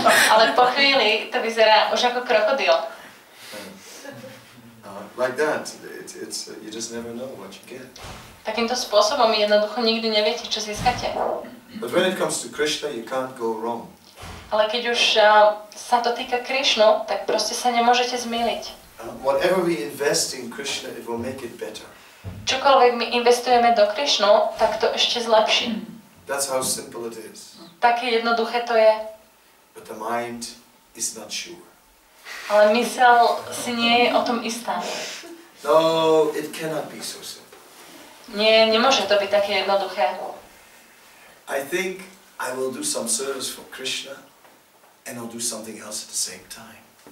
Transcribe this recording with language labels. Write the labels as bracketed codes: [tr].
[sk] Ale po chvíli to vyzerá už ako krokodil. [en] Like that, it's you just never know what you get. [sk] Takýmto spôsobom jednoducho nikdy neviete, čo získate. [en] But when it comes to Krishna, you can't go wrong. [sk] Ale keď už sa to týka Krišnu, tak proste sa nemôžete zmýliť. [en] Whatever we invest in Krishna, it will make it better. [sk] Čokoľvek my investujeme do Krišnu, tak to ešte zlepší. [en] That's how simple it is. [sk] Také jednoduché to je. [en] But the mind is not sure. [sk] Ale mysel si nie je o tom istá. [en] No, it cannot be so simple. [sk] Nie, nemôže to byť také jednoduché. [en] I think I will do some service for Krishna and I'll do something else at the same time.